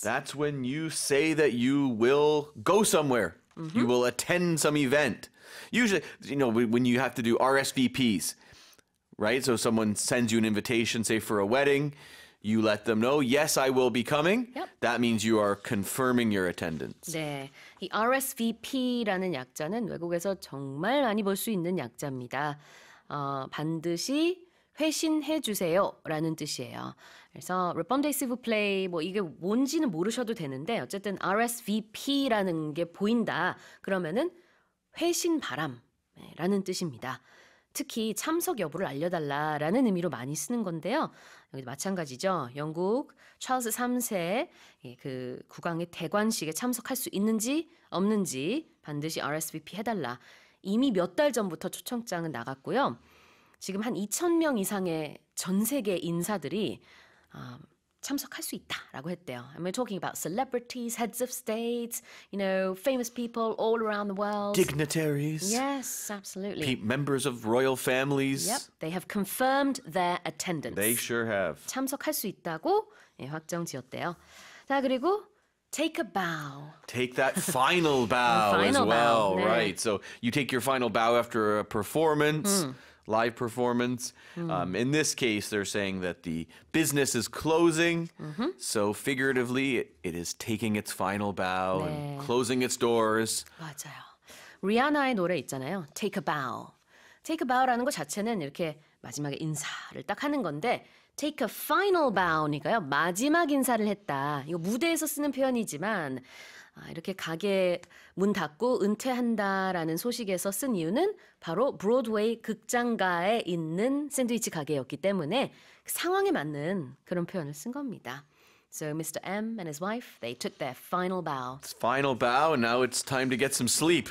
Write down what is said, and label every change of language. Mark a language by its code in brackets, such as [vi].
[en] That's when you say that you will go somewhere. Mm-hmm. You will attend some event. Usually, you know, when you have to do RSVPs, right? So someone sends you an invitation, say for a wedding, you let them know, yes, I will be coming. Yep. That means you are confirming your attendance. [ko] 네, 이 RSVP라는 약자는 외국에서 정말 많이 볼 수 있는 약자입니다. 반드시 회신해 주세요 라는 뜻이에요. 그래서 [fr] Repondez-vous plaît [ko] 뭐 이게 뭔지는 모르셔도 되는데 어쨌든 RSVP라는 게 보인다. 그러면은 회신 바람이라는 뜻입니다. 특히 참석 여부를 알려달라라는 의미로 많이 쓰는 건데요. 여기도 마찬가지죠. 영국 찰스 3세 그 국왕의 대관식에 참석할 수 있는지 없는지 반드시 RSVP 해달라. 이미 몇 달 전부터 초청장은 나갔고요. 지금 한 2,000명 이상의 전 세계 인사들이 참석할 수 있다라고 했대요. [en] I'm talking about celebrities, heads of states, you know, famous people all around the world. Dignitaries. Yes, absolutely. Members of royal families. Yep, they have confirmed their attendance. They sure have. [ko] 참석할 수 있다고 예, 확정 지었대요. 자, 그리고 [en] take a bow. Take that final bow final as well, bow. 네. right? So you take your final bow after a performance. Live performance. In this case, they're saying that the business is closing. Mm-hmm. So figuratively, it is taking its final bow [ko] 네. [en] and closing its doors. [ko] 맞아요. 리아나의 노래 있잖아요. [en] Take a bow. [ko] Take a bow라는 것 자체는 이렇게 마지막에 인사를 딱 하는 건데 [en] take a final bow [ko] 니까요. 마지막 인사를 했다. 이거 무대에서 쓰는 표현이지만 이렇게 가게 문 닫고 은퇴한다라는 소식에서 쓴 이유는 바로 브로드웨이 극장가에 있는 샌드위치 가게였기 때문에 상황에 맞는 그런 표현을 쓴 겁니다. [en] So Mr. M and his wife, they took their final bow. It's final bow and now it's time to get some sleep.